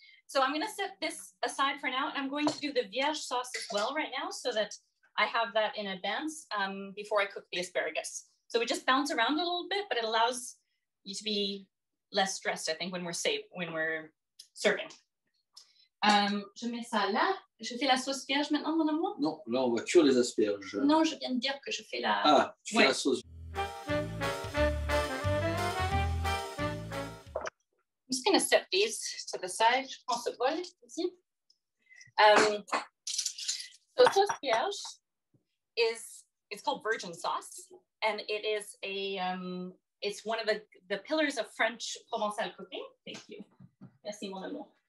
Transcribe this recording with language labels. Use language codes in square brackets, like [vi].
[en] So I'm going to set this aside for now and I'm going to do the Vierge sauce as well right now so that I have that in advance before I cook the asparagus. So we just bounce around a little bit, but it allows you to be less stressed, I think, when we're serving. [fr] Je mets ça là. Je fais la sauce vierge maintenant, mon amour? Non, là, on va cuire les asperges. Non, je viens de dire que je fais la... Ah, tu fais la sauce. [en] I'm just going to set these to the side. [fr] Je prends ce bol ici. [en] So sauce vierge is called virgin sauce, and it is a it's one of the pillars of French Provençal cooking. Thank you. [fr] Merci, mon amour.